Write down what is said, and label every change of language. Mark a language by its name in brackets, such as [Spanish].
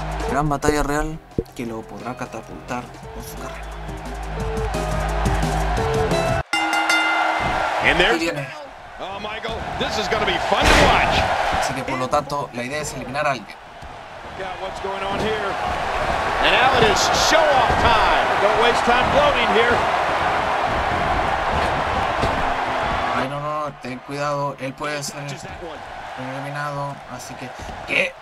[Spanish] Gran batalla real que lo podrá catapultar con su carrera. [English] And there's [Spanish] viene. [English] Oh, Michael, this is gonna be fun to watch. [Spanish] Así que por lo tanto, la idea es eliminar a alguien. [English] What's going on here? And now it is show off time. Don't waste time floating here. [Spanish] Ay, no, no, no, ten cuidado, él puede ser eliminado, así que ¿qué?